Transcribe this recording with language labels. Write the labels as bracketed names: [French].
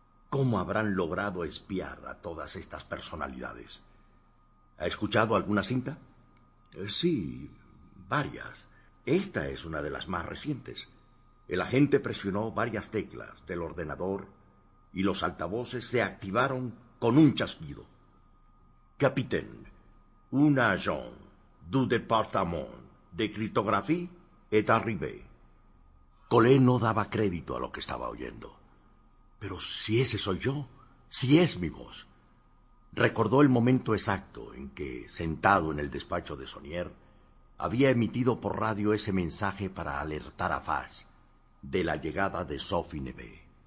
[Spanish] ¿Cómo habrán logrado espiar a todas estas personalidades? ¿Ha escuchado alguna cinta? Sí, varias. Esta es una de las más recientes. El agente presionó varias teclas del ordenador y los altavoces se activaron con un chasquido. [French] Capitaine, un agent du département de cryptographie est arrivé. [Spanish] Collet no daba crédito a lo que estaba oyendo. Pero si ese soy yo, si es mi voz. Recordó el momento exacto en que, sentado en el despacho de Saunier, había emitido por radio ese mensaje para alertar a Fass de la llegada de Sophie Neve.